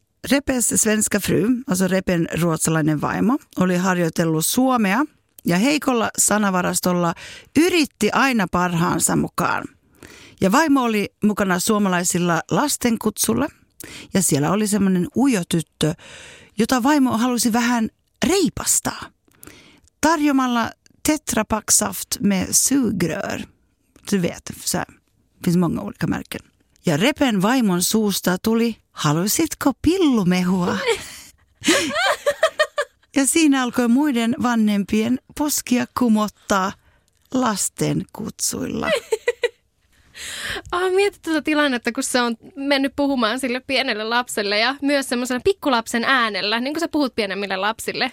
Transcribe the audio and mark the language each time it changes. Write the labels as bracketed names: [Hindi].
[Swedish] Repes svenska fru, alltså [Finnish] Repen ruotsalainen vaimo, oli harjoitellut suomea ja heikolla sanavarastolla yritti aina parhaansa mukaan. Ja vaimo oli mukana suomalaisilla lastenkutsulla ja siellä oli semmoinen ujo tyttö, jota vaimo halusi vähän reipastaa. Tarjomalla [Swedish] Tetra Pak saft med sugrör. Du vet, så finns många olika märken. [Finnish] Ja Repen vaimon suusta tuli... Haluaisitko pillumehua? Ja siinä alkoi muiden vanhempien poskia kumottaa lasten kutsuilla. Mietit tuota tilannetta, kun se on mennyt puhumaan sille pienelle lapselle ja myös semmoisella pikkulapsen äänellä, niin kuin sä puhut pienemmille lapsille.